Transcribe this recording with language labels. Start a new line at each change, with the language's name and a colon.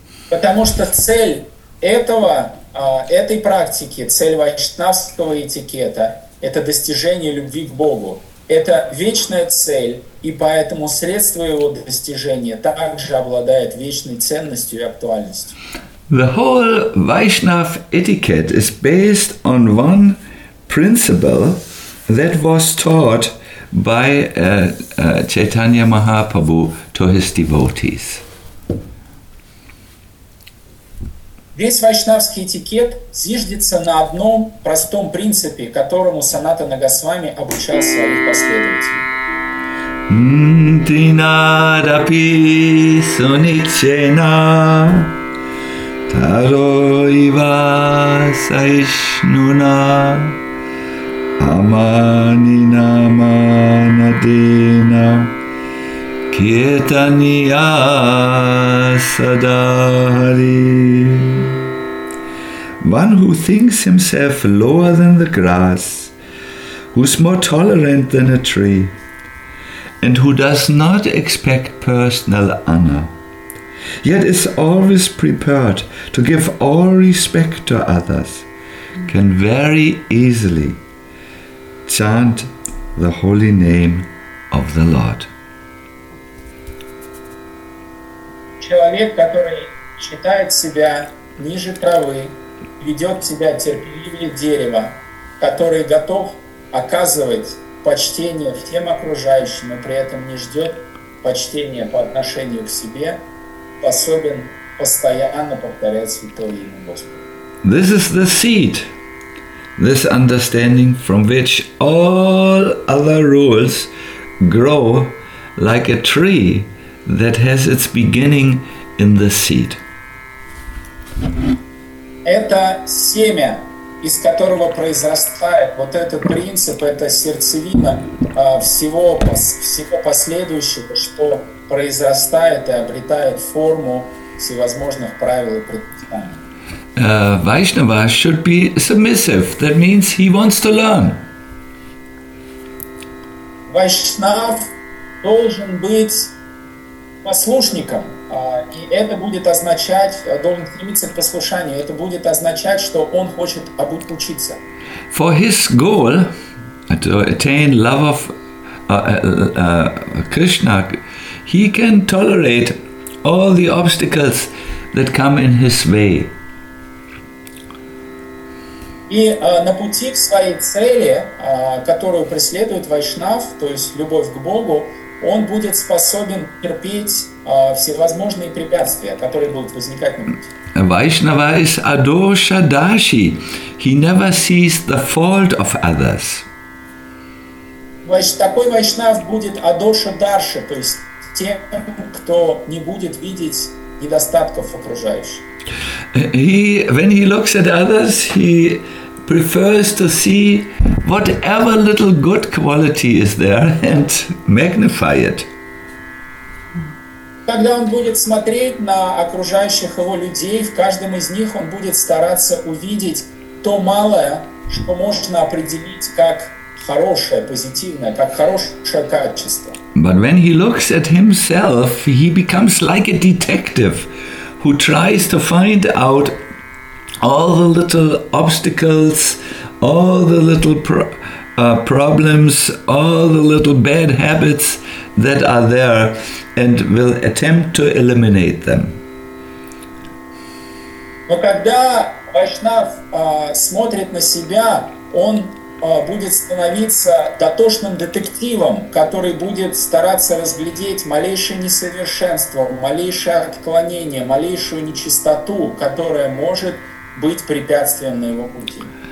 Russian: Потому что цель этого, этой практики, цель вайшнавского этикета, это достижение любви к Богу. Это вечная цель, и поэтому средство его достижения также обладает вечной ценностью и актуальностью.
English: The whole Vaishnav etiquette is based on one principle that was taught by Chaitanya Mahaprabhu to his devotees.
Russian: Весь вайшнавский этикет зиждется на одном простом принципе, которому Санатана Госвами обучал своих последователей. Таро ива саишнуна амани намана дина кетания садари.
English: One who thinks himself lower than the grass, who's more tolerant than a tree, and who does not expect personal honor, yet is always prepared to give all respect to others, can very easily chant the holy name of the Lord.
Russian: Человек, который считает себя ниже травы, ведет себя терпеливее дерева, который готов оказывать почтение всем окружающим, но при этом не ждет почтения по отношению к себе, способен постоянно повторять святое имя Господа.
English: This is the seed, this understanding from which all other rules grow like a tree that has its beginning in the seed.
Russian: Это семя, из которого произрастает вот этот принцип, это сердцевина всего последующего, что произрастает и обретает форму всевозможных правил и предписаний.
English: Vaishnava should be submissive. That means he wants to learn.
Russian: Vaishnav должен быть послушником. И это будет означать, должен стремиться к послушанию, это будет означать, что он хочет обучиться.
English: For his goal to attain love of Krishna, he can tolerate all the obstacles that come in his way.
Russian: И на пути к своей цели, которую преследует Вайшнав, то есть любовь к Богу, он будет способен терпеть всевозможные препятствия, которые будут возникать на пути.
English: Vaishnava is adosha dashi. He never sees the fault of others.
Russian: Такой вайшнав будет адоша дарши, то есть тем, кто не будет видеть недостатков окружающих.
English: When he looks at others, he prefers to see whatever little good quality is there and magnify it.
Russian: Когда он будет смотреть на окружающих его людей, в каждом из них он будет стараться увидеть то малое, что можно определить как хорошее, позитивное, как хорошее качество.
English: But when he looks at himself, he becomes like a detective who tries to find out all the little obstacles, all the little problems, all the little bad habits that are there, and will attempt to eliminate them.
Russian: Но когда Вайшнав смотрит на себя, он будет становиться дотошным детективом, который будет стараться разглядеть малейшее несовершенство, малейшее отклонение, малейшую нечистоту, которая может быть препятствием на его пути.